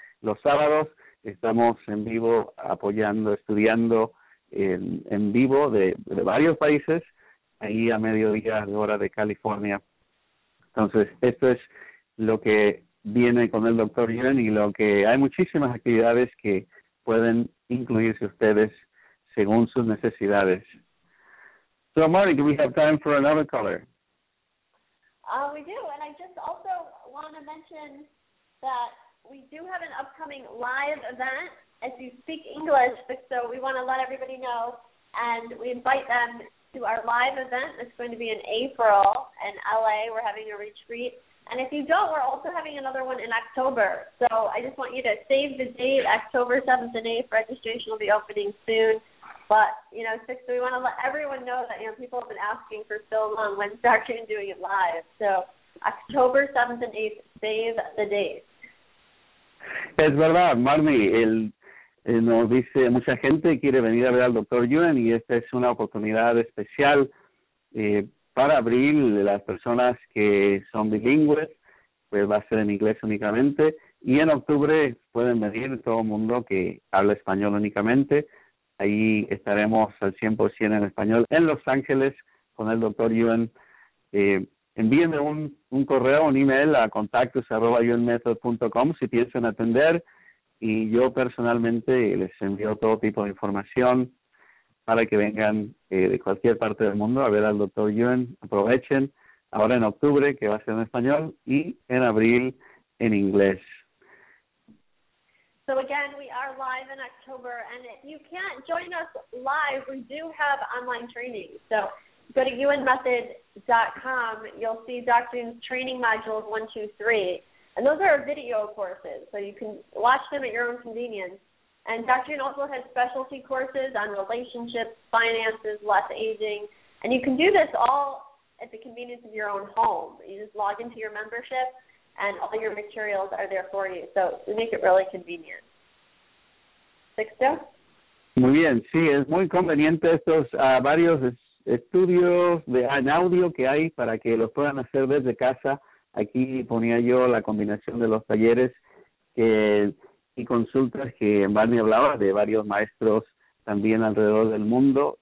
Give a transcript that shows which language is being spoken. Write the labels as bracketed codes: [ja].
[es] Los sábados estamos en vivo apoyando, estudiando en vivo de varios países, ahí a mediodía de hora de California. Entonces, esto es lo que viene con el Dr. Yuen, y lo que hay muchísimas actividades que pueden incluirse ustedes según sus necesidades. [en] So, Monique, we have time for another caller. We do, and I just also want to mention that we do have an upcoming live event. As you speak English, so we want to let everybody know, and we invite them to our live event. It's going to be in April in LA. We're having a retreat, and if you don't, we're also having another one in October. So I just want you to save the date, October 7th and 8th. Registration will be opening soon. But, you know, Sixto, we want to let everyone know that, you know, people have been asking for so long, when's Dr. Yuen doing it live? So October 7th and 8th, save the date. [es] Es verdad, Marnie. Él nos dice, mucha gente quiere venir a ver al Dr. Yuen, y esta es una oportunidad especial para abril. Las personas que son bilingües, pues va a ser en inglés únicamente. Y en octubre pueden venir todo el mundo que habla español únicamente. Ahí estaremos al 100% en español en Los Ángeles con el Dr. Yuen. Envíenme un correo, un email a contactos@yuenmethod.com si piensan atender, y yo personalmente les envío todo tipo de información para que vengan de cualquier parte del mundo a ver al Dr. Yuen. Aprovechen ahora en octubre, que va a ser en español, y en abril en inglés. [en] So again, we are live in October, and if you can't join us live, we do have online training. So go to unmethod.com, you'll see Doctrine's training modules 1, 2, 3, and those are video courses, so you can watch them at your own convenience. And Doctrine also has specialty courses on relationships, finances, less aging, and you can do this all at the convenience of your own home. You just log into your membership, and all your materials are there for you. So we make it really convenient. Sixto? [es] Muy bien, sí, es muy conveniente estos varios estudios de en audio que hay para que los puedan hacer desde casa. Aquí ponía yo la combinación de los talleres que, y consultas que Barney hablaba de varios maestros también alrededor del mundo.